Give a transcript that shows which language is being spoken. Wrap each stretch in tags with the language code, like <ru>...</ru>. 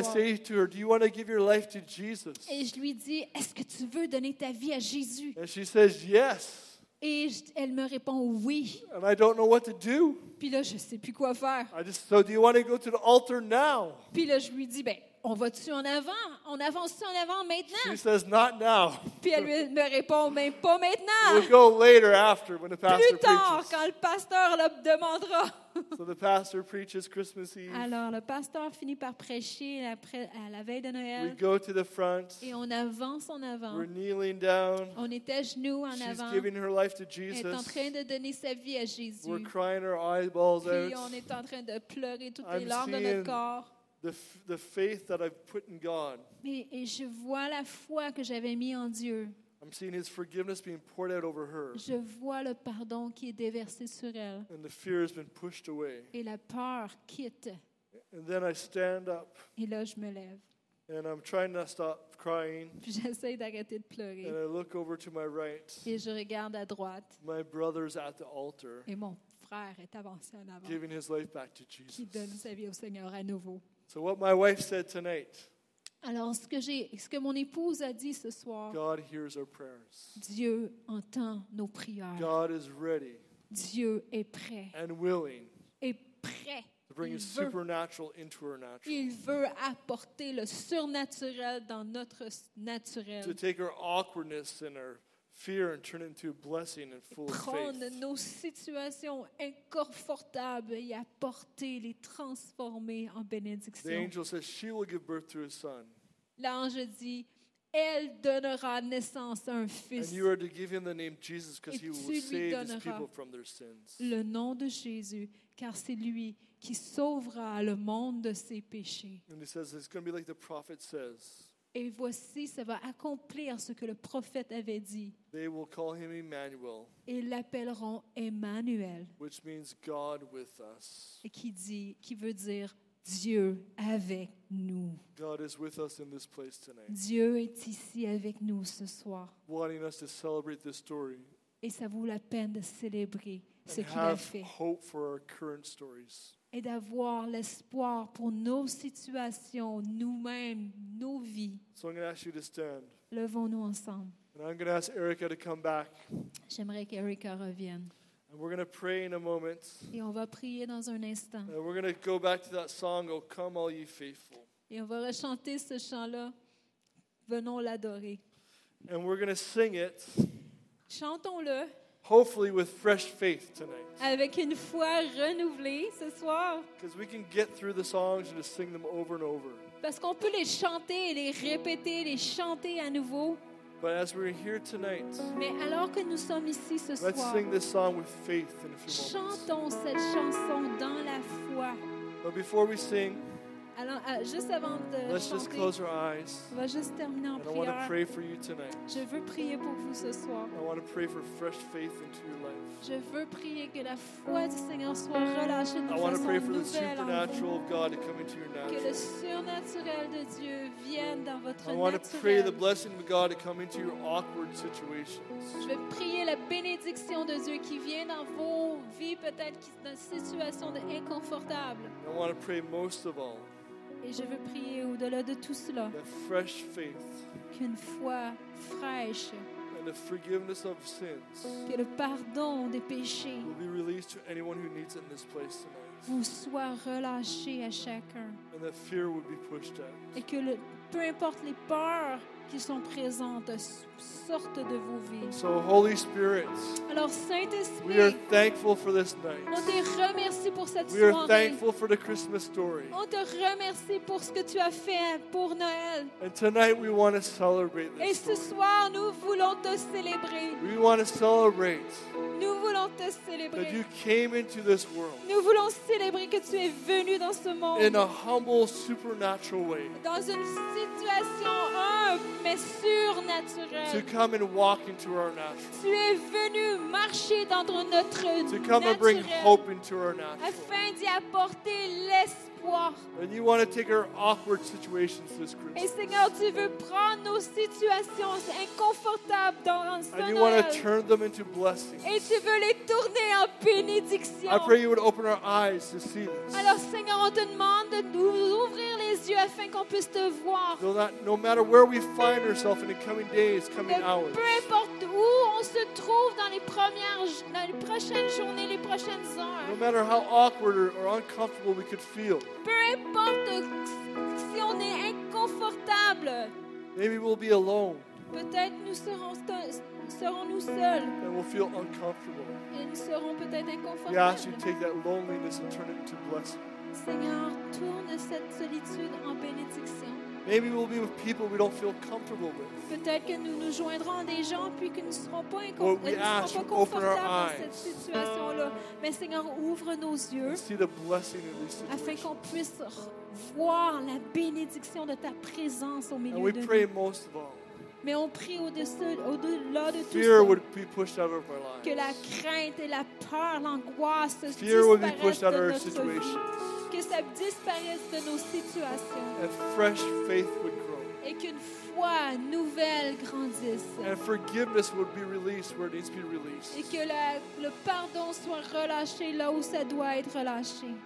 <en>I say to her, do you want to give your life to Jesus?</en> <fr>Et je lui dis, est-ce que tu veux donner ta vie à Jésus?</fr> <en>And she says yes.</en> <fr>Et elle me répond oui.</fr> <en>And I don't know what to do.</en> <fr>Puis là, je sais plus quoi faire.</fr> <en>So do you want to go to the altar now?</en> <fr>Puis là, je lui dis, ben, on va-tu en avant? On avance-tu en avant maintenant?</fr> <en>She says, not now.</en> <fr>Puis elle me répond, mais pas maintenant.</fr> <en>We'll go later after when the pastor</en> <fr>plus tard,</fr> <en>preaches.</en> <fr>Quand le pasteur le demandera.</fr> <en>So the pastor preaches Christmas Eve.</en> <fr>Alors, le pasteur finit par prêcher après, à la veille de Noël.</fr> <en>We go to the front.</en> <fr>Et on avance en avant.</fr> <en>We're kneeling down.</en> <fr>On était genoux en</fr> <en>She's</en> <fr>avant.</fr> <en>She's giving her life to Jesus.</en> <fr>Elle est en train de donner sa vie à Jésus.</fr> <en>We're crying our eyeballs</en> <fr>Puis</fr> <en>out.</en> <fr>On est en train de pleurer toutes les larmes de notre corps.</fr> <en>The faith that I've put in God.</en> <fr>Et je vois la foi que j'avais mis en Dieu.</fr> <en>I'm seeing his forgiveness being poured out over her.</en> <fr>Je vois le pardon qui est déversé sur elle.</fr> <en>And the fear has been pushed away.</en> <fr>Et la peur quitte.</fr> <en>And then I stand up.</en> <fr>Et là, je me lève.</fr> <en>And I'm trying to stop crying.</en> <fr>J'essaie d'arrêter de pleurer.</fr> <en>And I look over to my right.</en> <fr>Et je regarde à droite.</fr> <en>My brother's at the altar.</en> <fr>Et mon frère est avancé en avant.</fr> <en>Giving his life back to Jesus.</en> <fr>Qui donne sa vie au Seigneur à nouveau.</fr> <en>So what my wife said tonight.</en> <fr>Alors, ce que mon épouse a dit ce soir,</fr> <en>God hears our prayers.</en> <fr>Dieu entend nos prières.</fr> <en>God is ready.</en> <fr>Dieu est prêt.</fr> <en>And willing.</en> <fr>Est prêt.</fr> <en>To bring</en> <fr>Il</fr> <en>his supernatural into our natural.</en> <fr>Il veut apporter le surnaturel dans notre naturel.</fr> <en>To take our awkwardness and our fear and turn it into a blessing and full</en> <fr>Prendre</fr> <en>of faith.</en> <fr>Prendre nos situations inconfortables et apporter, les transformer en bénédiction.</fr> <en>The angel says she will give birth to a son.</en> <fr>L'ange dit, elle donnera naissance à un fils.</fr> <en>And you are to give him the name Jesus because he will save his people from their sins.</en> <fr>Le nom de Jésus, car c'est lui qui sauvera le monde de ses péchés.</fr> <en>And he says it's going to be like the prophet says.</en> <fr>Et voici, ça va accomplir ce que le prophète avait dit.</fr> <en>They will call him Emmanuel.</en> <fr>Ils l'appelleront Emmanuel.</fr> <en>Which means God with us.</en> <fr>Et qui veut dire Dieu avec nous.</fr> <en>God is with us in this place tonight.</en> <fr>Dieu est ici avec nous ce soir.</fr> <en>Wanting us to celebrate this story.</en> <fr>Et ça vaut la peine de célébrer ce qu'il a fait.</fr> <en>And have hope for our current stories.</en> <fr>Et d'avoir l'espoir pour nos situations, nous-mêmes, nos vies.</fr> <en>So I'm gonna ask you to stand.</en> <fr>Levons-nous ensemble.</fr> <en>And I'm gonna ask Erica to come back.</en> <fr>J'aimerais qu'Erica revienne.</fr> <en>And we're gonna pray in a moment.</en> <fr>Et on va prier dans un instant.</fr> <en>And we're gonna go back to that song, Oh Come All Ye Faithful.</en> <fr>Et on va rechanter ce chant-là, Venons l'adorer.</fr> <en>And we're gonna sing it.</en> <fr>Chantons-le.</fr> <en>Hopefully with fresh faith tonight.</en> <fr>Avec une foi renouvelée ce soir.</fr> <en>Because we can get through the songs and just sing them over and over.</en> <fr>Parce qu'on peut les chanter, les répéter, les chanter à nouveau.</fr> <en>But as we're here tonight.</en> <fr>Mais alors que nous sommes ici ce soir.</fr> <en>Let's sing this song with faith in a few moments.</en> <fr>Chantons cette chanson dans la foi.</fr> <en>But before we sing.</en> <fr>Alors, juste avant de</fr> <en>Let's</en> <fr>chanter,</fr> <en>just close our eyes.</en> <fr>On va juste terminer en</fr> <en>and</en> <fr>prière.</fr> <en>I want to pray for you tonight.</en> <fr>Je veux prier pour vous ce soir.</fr> <en>I want to pray for fresh faith into your life.</en> <fr>Je veux prier que la foi du Seigneur soit relâchée dans</fr> <en>I want to pray for the supernatural of God to come into your natural.</en> <fr>Que le surnaturel de Dieu vienne dans votre</fr> <en>I want to pray the blessing of God to come into your awkward situations.</en> <fr>Je veux prier la bénédiction de Dieu qui vient dans vos vies peut-être dans situations inconfortables.</fr> <en>I want to pray most of all.</en> <fr>Et je veux prier au-delà de tout cela.</fr> <en>A fresh faith.</en> <fr>Qu'une foi fraîche.</fr> <en>And the forgiveness of sins.</en> <fr>Que le pardon des péchés.</fr> <en>Will be released to anyone who needs it in this place tonight.</en> <fr>Vous soyez relâché à chacun.</fr> <en>And the fear will be pushed out.</en> <fr>Et que le, peu importe les peurs qui sont présentes, sortent de vos vies.</fr> <en>So Holy Spirit.</en> <fr>Alors Saint-Esprit.</fr> <en>We are thankful for this night.</en> <fr>On te remercie pour cette soirée.</fr> <en>We are thankful for the Christmas story.</en> <fr>On te remercie pour ce que tu as fait pour Noël.</fr> <en>And tonight we want to celebrate this.</en> <fr>Et ce soir nous voulons te célébrer.</fr> <en>We want to celebrate.</en> <fr>Nous voulons te célébrer.</fr> <en>That you came into this world.</en> <fr>Nous voulons célébrer que tu es venu dans ce monde.</fr> <en>In a humble supernatural way.</en> <fr>Dans une situation humble mais surnaturelle.</fr> <en>To come and walk into our natural.</en> <fr>Tu es venu marcher dans notre naturel.</fr> <en>To come and bring hope into our natural.</en> <fr>Afin d'y apporter l'espoir.</fr> <en>And you want to take our awkward situations this Christmas.</en> <fr>Et Seigneur, tu veux prendre nos situations inconfortables dans ce Noël.</fr> <en>And you want to turn them into blessings.</en> <fr>Et tu veux les tourner en bénédiction.</fr> <en>I pray you would open our eyes to see this.</en> <fr>Alors Seigneur, on te demande de nous ouvrir les yeux afin qu'on puisse te voir.</fr> <en>So that no matter where we find ourselves in the coming days, coming hours.</en> <fr>Peu importe où on se trouve dans les premières, dans les prochaines journées, les prochaines heures.</fr> <en>No matter how awkward or uncomfortable we could feel.</en> <fr>Peu importe si on est inconfortable.</fr> <en>Maybe we'll be alone.</en> <fr>Peut-être nous serons-nous seuls.</fr> <en>And we'll feel uncomfortable.</en> <fr>Et nous serons peut-être inconfortables.</fr> <en>We ask you to take that loneliness and turn it into blessing.</en> <fr>Seigneur, tourne cette solitude en bénédiction.</fr> <en>Maybe we'll be with people we don't feel comfortable with.</en> <fr>Peut-être que nous nous joindrons à des gens puis que nous ne serons pas confortables dans cette situation-là. Mais Seigneur, ouvre nos yeux afin qu'on puisse voir la bénédiction de ta présence au milieu de nous.</fr> <en>We pray most of all.</en> <fr>Mais on prie au-delà de</fr> <en>fear</en> <fr>tout ça.</fr> <en>Be pushed out of our lives.</en> <fr>Que la crainte et la peur, l'angoisse</fr> <en>fear</en> <fr>disparaissent</fr> <en>be</en> <fr>de</fr> <en>our</en> <fr>notre situation. Vie. Que ça disparaisse de nos situations.</fr> <en>A fresh faith would grow.</en> <fr>Et qu'une foi nouvelle grandisse.</fr> <en>And forgiveness would be released where it needs to be released.</en> <fr>Et que le pardon soit relâché là où ça doit être relâché.</fr>